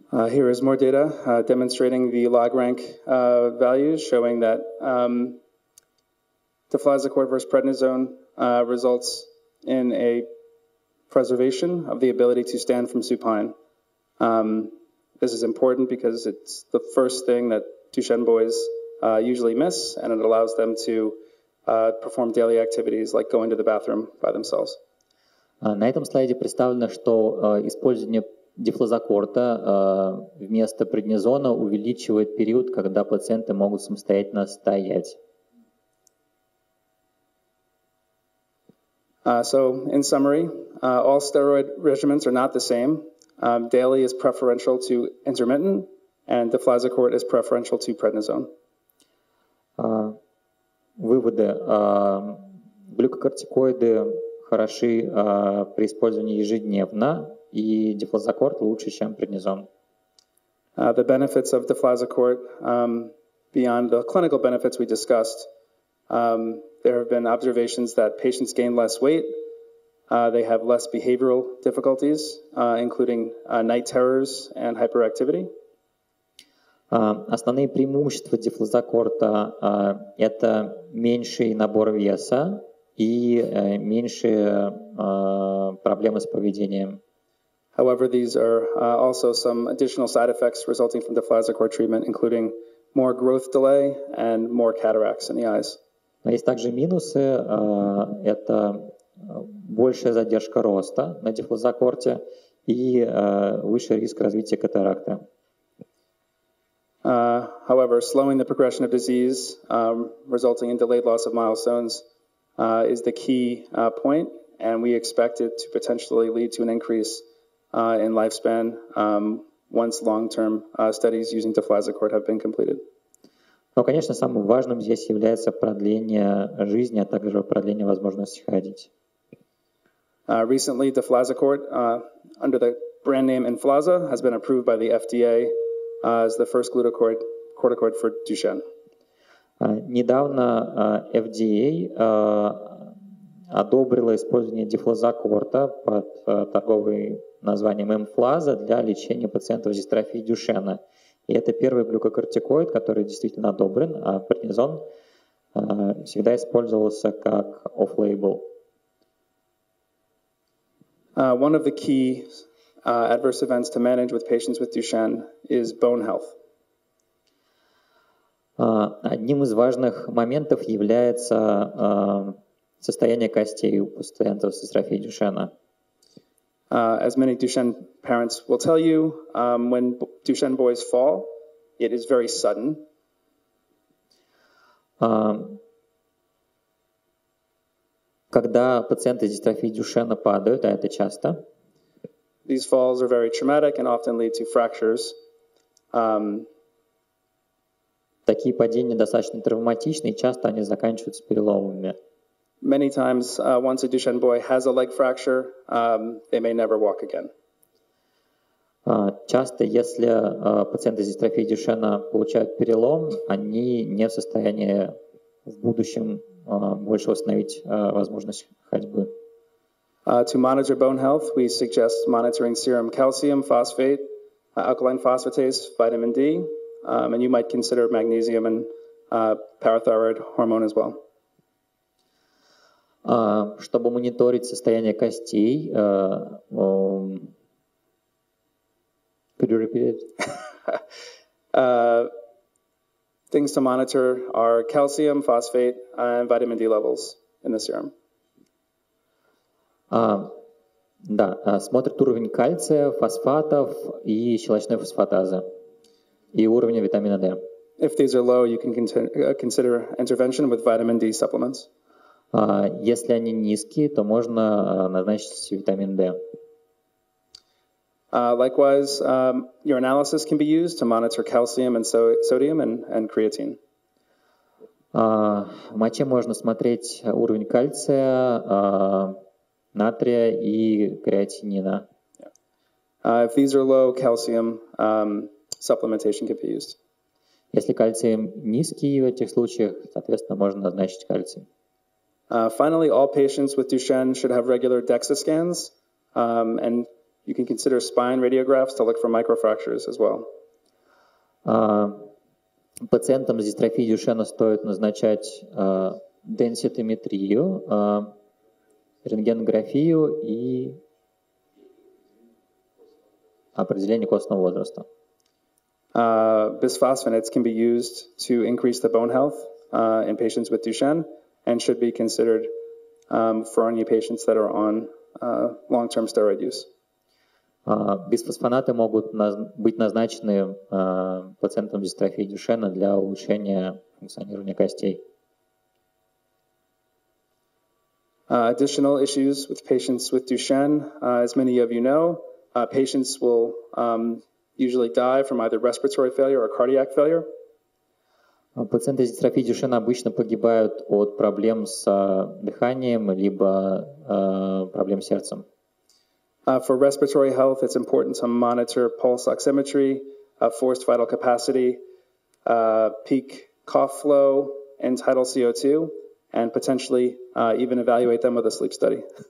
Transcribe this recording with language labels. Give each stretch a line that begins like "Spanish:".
English: Here is more data demonstrating the log rank values, showing that deflazacort versus prednisone results in a preservation of the ability to stand from supine. This is important because it's the first thing that Duchenne boys usually miss, and it allows them to perform daily activities like going to the bathroom by themselves.
Russian: На этом слайде представлено, что использование дефлозакорта вместо преднизона увеличивает период, когда пациенты могут самостоятельно стоять.
English: So, in summary, all steroid regimens are not the same. Daily is preferential to intermittent, and deflazacort is preferential to prednisone.
Russian: Выводы. Глюкокортикоиды хороши при использовании ежедневно, и дефлазокорт лучше, чем преднизон.
English: The benefits of deflazacort, beyond the clinical benefits we discussed, there have been observations that patients gain less weight, they have less behavioral difficulties, including night terrors and hyperactivity.
Russian: Основные преимущества дефлазокорта – это меньший набор веса и меньшие проблемы с поведением.
English: However, these are also some additional side effects resulting from deflazacort treatment, including more growth delay and more cataracts in the eyes.
Russian: Но есть также минусы. Это большая задержка роста на дефлазокорте и выше риск развития катаракты.
English: However, slowing the progression of disease, resulting in delayed loss of milestones, is the key point, and we expect it to potentially lead to an increase in lifespan once long-term studies using deflazacort have been completed.
Russian: Но, конечно, самым важным здесь является продление жизни, а также продление возможности ходить.
English: Recently, deflazacort, under the brand name Enflaza, has been approved by the FDA as the first glucocorticoid for Duchenne.
Russian: Недавно FDA одобрила использование дефлазокорта под торговым названием Enflaza для лечения пациентов с дистрофией Дюшенна. И это первый глюкокортикоид, который действительно одобрен, а преднизон всегда использовался как off-label.
English: One of the key adverse events to manage with patients with Duchenne is bone health.
Russian: Одним из важных моментов является состояние костей у пациентов с дистрофией Дюшенна.
English: As many Duchenne parents will tell you, when Duchenne boys fall, it is very sudden.
Russian: Когда пациенты с дистрофией Дюшенна падают, а это часто.
English: These falls are very traumatic and often lead to fractures.
Russian: Такие падения достаточно травматичны, и часто они заканчиваются переломами.
English: Many times, once a Duchenne boy has a leg fracture, they may never walk again.
Russian: Часто, если пациенты с дистрофией Дюшенна получают перелом, они не в состоянии в будущем больше восстановить возможность ходьбы.
English: To monitor bone health, we suggest monitoring serum calcium, phosphate, alkaline phosphatase, vitamin D, and you might consider magnesium and parathyroid hormone as well.
Russian: Чтобы мониторить состояние костей,
English: could you repeat it? Things to monitor are calcium, phosphate, and vitamin D levels in the serum.
Russian: Да, смотрит уровень кальция, фосфатов и щелочной фосфатазы и уровня витамина D.
English: If these are low, you can consider intervention with vitamin D supplements.
Russian: Если они низкие, то можно назначить витамин D.
English: Likewise, your analysis can be used to monitor calcium and sodium and creatine.
Russian: В моче можно смотреть уровень кальция, натрия и креатинина.
English: Yeah. If these are low, calcium supplementation can be used.
Russian: Если кальций низкий в этих случаях, соответственно, можно назначить кальций.
English: Finally, all patients with Duchenne should have regular DEXA scans, and you can consider spine radiographs to look for microfractures as well.
Russian: Пациентам с дистрофией Дюшенна стоит назначать денситометрию, рентгенографию и определение костного возраста.
English: Bisphosphonates can be used to increase the bone health in patients with Duchenne. And should be considered for any patients that are on long-term steroid use.
Russian: Бисфосфонаты могут быть назначены пациентам с дистрофией Дюшенна для улучшения функционирования костей.
English: Additional issues with patients with Duchenne. As many of you know, patients will usually die from either respiratory failure or cardiac failure.
Russian: Пациенты с дистрофией Дюшенна обычно погибают от проблем с дыханием либо проблем с сердцем.
English: For respiratory health, it's important to monitor pulse oximetry, forced vital capacity, peak cough flow, and tidal CO2, and potentially even evaluate them with a sleep study.